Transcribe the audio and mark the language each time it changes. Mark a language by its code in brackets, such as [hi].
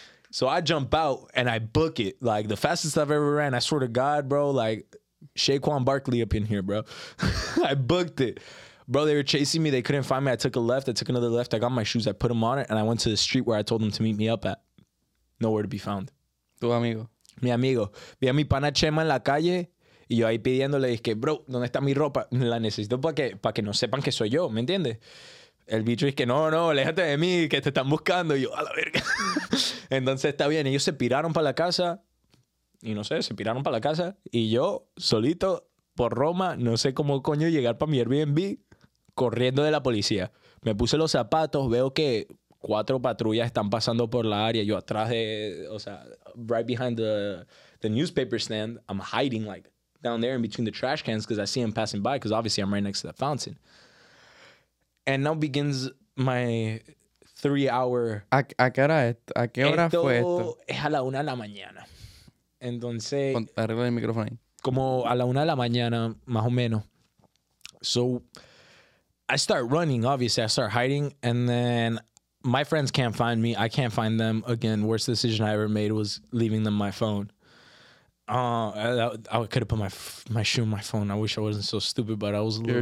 [en] So I jump out and I book it, like the fastest I've ever ran. I swear to God, bro, like Saquon Barkley up in here, bro. I booked it. Bro, they were chasing me. They couldn't find me. I took a left. I took another left. I got my shoes. I put them on it. And I went to the street where I told them to meet me up at. Nowhere to be found. [es] Tu amigo. Mi amigo. Vi a mi pana Chema en la calle. Y yo ahí pidiéndole, es que, bro, ¿dónde está mi ropa? La necesito para que no sepan que soy yo, ¿me entiendes? El bicho dice que no, aléjate de mí, que te están buscando. Y yo, a la verga. Entonces está bien, ellos se piraron para la casa. Y no sé, se piraron para la casa. Y yo, solito, por Roma, no sé cómo coño llegar para mi Airbnb, corriendo de la policía. Me puse los zapatos, veo que 4 patrullas están pasando por la área. Yo atrás de, o sea, [en] right behind the newspaper stand, I'm hiding like down there in between the trash cans because I see them passing by because obviously I'm right next to the fountain. And now begins my 3-hour... [es] ¿A qué hora esto? ¿A qué hora esto fue esto? Es a la 1 de la mañana. Entonces... Arregla el micrófono ahí. Como a la 1 de la mañana, más o menos. [en] So, I start running, obviously. I start hiding. And then my friends can't find me. I can't find them. Again, worst decision I ever made was leaving them my phone. I could have put my shoe in my phone. I wish I wasn't so stupid, but I was a little...